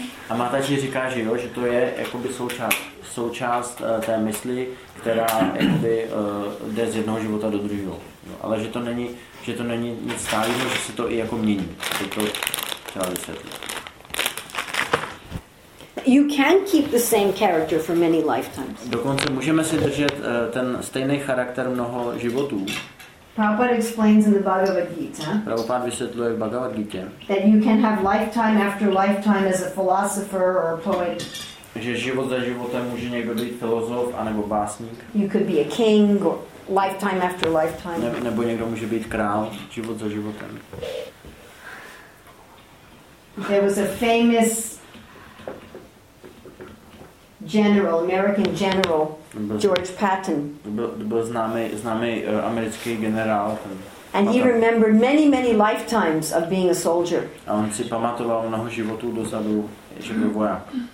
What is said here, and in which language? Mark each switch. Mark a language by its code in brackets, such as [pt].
[cs] A Mataji říká, že jo, že to je jakoby součást té mysli, která jakoby jde z jednoho života do druhého. Jo, ale že to není nic stálého, že se to i jako mění. Že to třeba vysvětlit. [en] You can keep the same character for many lifetimes. [cs] Dokonce můžeme si držet ten stejný charakter mnoho životů. [en] Prabhupada explains in the Bhagavad Gita. [cs] Prabhupada vysvětluje v Bhagavad Gita. [en] That you can have lifetime after lifetime as a philosopher or a poet. [cs] Že život za životem může někdo být filozof anebo básník. [en] You could be a king or lifetime after lifetime. [cs] Nebo někdo může být král život za životem. [en] There was a famous general, American general George Patton. [cs] Byl známý americký generál. [en] And he remembered many, many lifetimes of being a soldier. [cs] A on si pamatoval mnoho životů dozadu, že byl voják.